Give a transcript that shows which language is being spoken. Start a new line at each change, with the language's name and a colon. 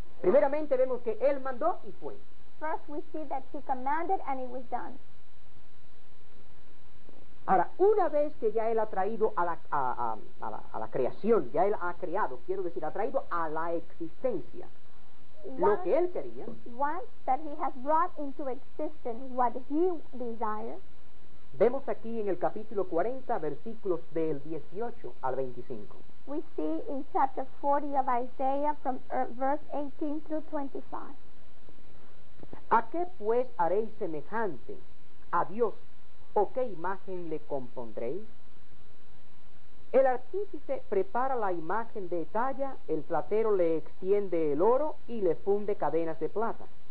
Spanish: Primeramente vemos que él mandó y fue.
English: First we see that he commanded and it was done.
Spanish: Ahora, una vez que ya él ha traído a la creación, ya él ha creado, quiero decir, ha traído a la existencia.
English: Once,
Spanish: lo que él quería,
English: once that he has brought into existence what he desired,
Spanish: vemos aquí en el capítulo 40 versículos del 18 al 25.
English: We see in chapter 40 of Isaiah from verse 18 through 25.
Spanish: ¿A qué pues haréis semejante a Dios, o qué imagen le compondréis? El artífice prepara la imagen de talla, el platero le extiende el oro y le funde cadenas de plata.